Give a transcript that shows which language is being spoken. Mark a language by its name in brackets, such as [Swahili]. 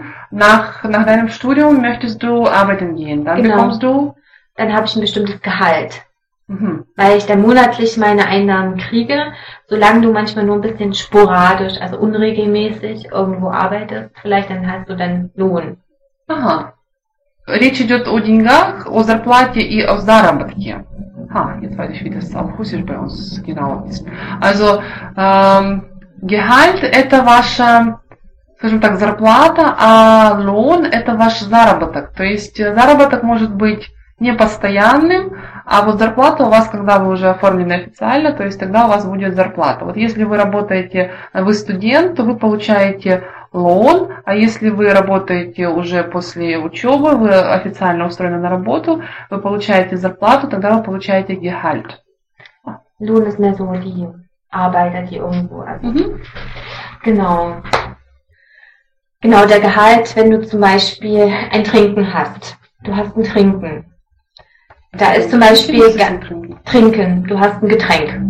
[German] Nach deinem Studium möchtest du arbeiten gehen, dann genau. Bekommst du? Dann habe ich ein bestimmtes Gehalt, weil ich dann monatlich meine Einnahmen kriege. Solange du manchmal nur ein bisschen sporadisch, also unregelmäßig irgendwo arbeitest, vielleicht dann hast du dann Lohn. Aha. [Russian] Речь идет о деньгах, о зарплате и о заработке. [German] Ха, jetzt weiß ich, wie das auf Russisch bei uns genau ist. [Russian] Also, Gehalt – это ваша, скажем так, зарплата, а Lohn – это ваш заработок. То есть, заработок может быть непостоянным, а вот зарплата у вас, когда вы уже оформлены официально, то есть, тогда у вас будет зарплата. Вот если вы работаете, вы студент, то вы получаете Лон, а если вы работаете уже после учебы, вы официально устроены на работу, вы получаете зарплату, тогда вы получаете Gehalt. [German] Лон ist mehr so die Arbeiter, die irgendwo. Genau. Genau, der Gehalt, wenn du zum Beispiel ein Trinken hast. Du hast ein Trinken. Da ist zum Beispiel Trinken. Du hast ein Getränk.